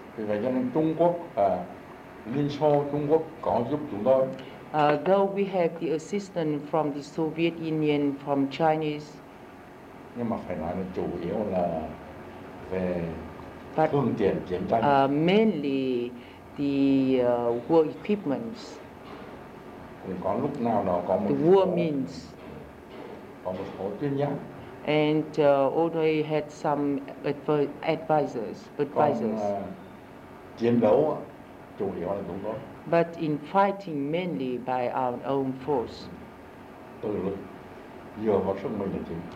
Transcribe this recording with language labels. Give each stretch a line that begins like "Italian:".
Vietnamese: Vì vậy cho nên Trung Quốc, Liên Xô, Trung Quốc có giúp chúng tôi.
English: Though we have the assistance from the Soviet Union, from Chinese.
Vietnamese: Nhưng mà phải nói là chủ yếu là về phương tiện chiến tranh.
English: Mainly the war equipments.
Vietnamese: Có lúc nào đó có một
English: the war means
Vietnamese: có một số chuyên gia.
English: And Audrey had some advisors.
Vietnamese: Còn, chiến đấu chủ yếu là chúng tôi.
English: But in fighting mainly by our own force.
Vietnamese: Tự lực dựa vào sức mình là chính.